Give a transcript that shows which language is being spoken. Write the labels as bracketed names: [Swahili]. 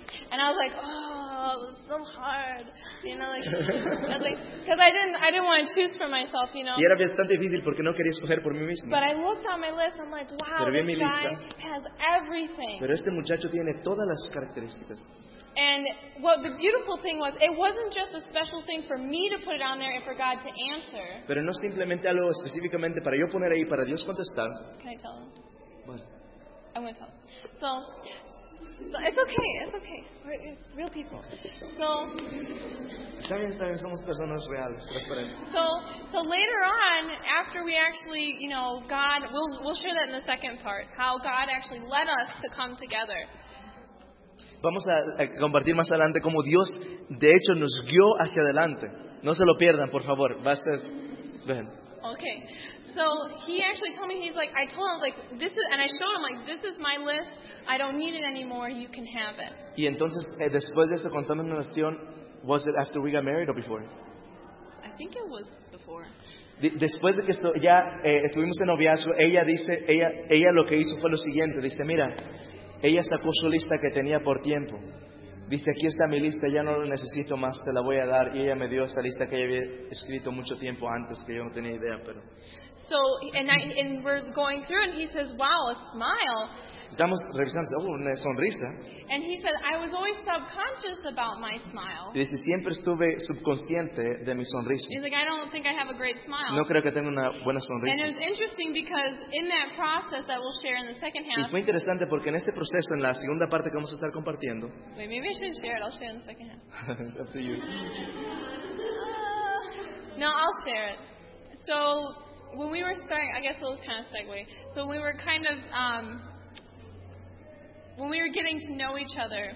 [English] And I was like, oh, it was so hard, you know, because I didn't want to choose for myself, you know. [Spanish] Y era bastante difícil porque no quería escoger por mí mismo. [English] But I looked on my list, I'm like, wow, [Spanish] pero [English] this guy has everything. [Spanish] Pero este muchacho tiene todas las características. [English] And what the beautiful thing was, it wasn't just a special thing for me to put it on there and for God to answer. [Spanish] Pero no simplemente algo específicamente para yo poner ahí para Dios contestar. [English] Can I tell him? [Spanish] Bueno. [English] I'm going to tell him. So. It's okay. We're real people. So. [Spanish] Está bien. Somos personas reales, transparentes. [English] So later on, after we actually, you know, God, we'll share that in the second part, how God actually led us to come together. [Spanish] Vamos a compartir más adelante cómo Dios, de hecho, nos guió hacia adelante. No se lo pierdan, por favor. Va a ser. Ven. Okay. [English] So he actually told me, he's like, I told him, I was like, this is, and I showed him, like, this is my list, I don't need it anymore, you can have it. [Spanish] Y entonces, después de eso, contame una oración, [English] was it after we got married or before? I think it was before. [Spanish] Después de que esto, ya estuvimos en noviazgo, ella dice, ella lo que hizo fue lo siguiente, dice, mira, Ella sacó su lista que tenía por tiempo. Dice, aquí está mi lista, ya no lo necesito más, te la voy a dar. Y ella me dio esta lista que ella había escrito mucho tiempo antes, que yo no tenía idea, pero... [English] So, and we're going through, and he says, wow, a smile. [Spanish] Estamos revisando, oh, una sonrisa. [English] And he said, I was always subconscious about my smile. [Spanish] Y dice, siempre estuve subconsciente de mi sonrisa. [English] He's like, I don't think I have a great smile. [Spanish] No creo que tenga una buena sonrisa. [English] And it was interesting because in that process that we'll share in the second half... [Spanish] Y fue interesante porque en ese proceso, en la segunda parte que vamos a estar compartiendo... [English] Wait, maybe I shouldn't share it, I'll share it in the second half. It's up to you. No, I'll share it. So... When we were starting, I guess a little kind of segue. So we were kind of, when we were getting to know each other.